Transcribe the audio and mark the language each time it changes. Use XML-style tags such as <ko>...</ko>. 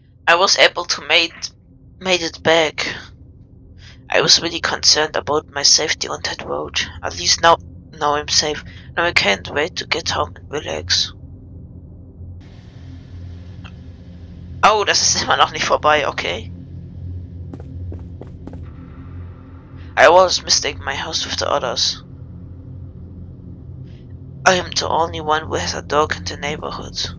<en>I was able to made it back. I was really concerned about my safety on that road. At least now I'm safe. Now I can't wait to get home and relax.</en> <de>Oh, das ist immer noch nicht vorbei, okay.</de> <en>I always mistake my house with the others. I am the only one who has a dog in the neighborhood.</en>